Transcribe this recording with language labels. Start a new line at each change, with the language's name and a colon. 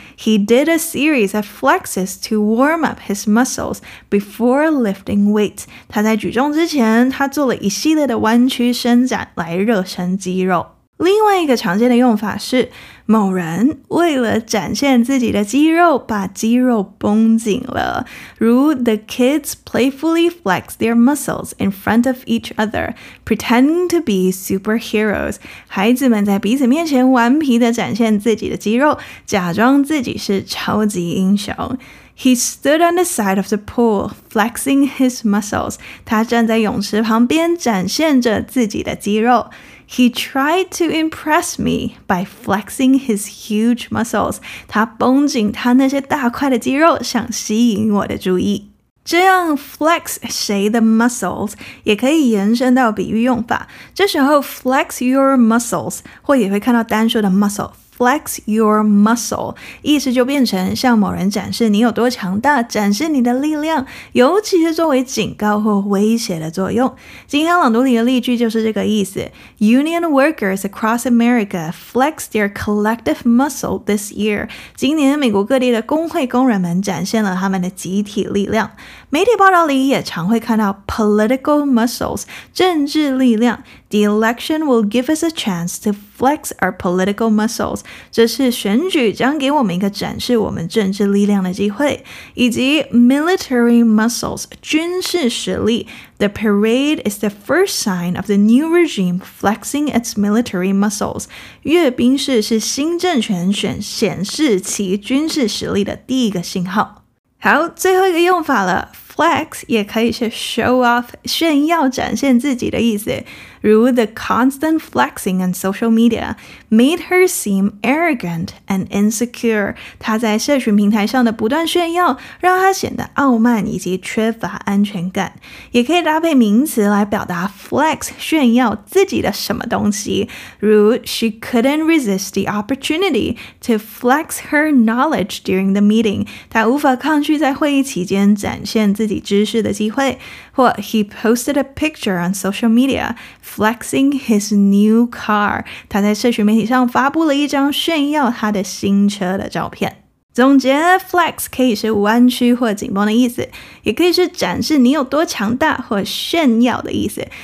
English: He did a series of flexes to warm up his muscles before lifting weights.
Chinese: 他在举重之前，他做了一系列的弯曲伸展来热身肌肉。另外一个常见的用法是，某人为了展现自己的肌肉，把肌肉绷紧了。如
English: the kids playfully flex their muscles in front of each other, pretending to be superheroes.
Chinese: 孩子们在彼此面前顽皮地展现自己的肌肉，假装自己是超级英雄。
English: He stood on the side of the pool, flexing his muscles.
Chinese: 他站在泳池旁边，展现着自己的肌肉。
English: He tried to impress me by flexing his huge muscles.
Chinese: 他绷紧他那些大块的肌肉，想吸引我的注意。这样 flex 谁的 muscles 也可以延伸到比喻用法。这时候
English: flex your muscles
Chinese: 或也会看到单数的
English: muscle flex your muscle,
Chinese: 意思就变成向某人展示你有多强大，展示你的力量，尤其是作为警告或威胁的作用。今天朗读里的例句就是这个意思。
English: Union workers across America flex their collective muscle this year.
Chinese: 今年美国各地的工会工人们展现了他们的集体力量。媒体报道里也常会看到
English: political muscles,
Chinese: 政治力量。
English: The election will give us a chance to flex our political muscles.
Chinese: 这次选举将给我们一个展示我们政治力量的机会。以及
English: military muscles,
Chinese: 军事实力。
English: The parade is the first sign of the new regime flexing its military muscles.
Chinese: 阅兵式是新政权显示其军事实力的第一个信号。好，最后一个用法了。Flex 也可以是
English: show off,
Chinese: 炫耀展现自己的意思。如
English: the constant flexing on social media made her seem arrogant and insecure.
Chinese: 她在社群平台上的不断炫耀让她显得傲慢以及缺乏安全感。也可以搭配名词来表达 flex, 炫耀自己的什么东西。如
English: she couldn't resist the opportunity to flex her knowledge during the meeting.
Chinese: 她无法抗拒在会议期间展现自己知识的机会。或
English: he posted a picture on social media,Flexing his new car.
Chinese: 他在社群媒体上发布了一张炫耀他的新车的照片。总结 flex 可以是弯曲或紧绷的意思，也可以是展示你有多强大或炫耀的意思。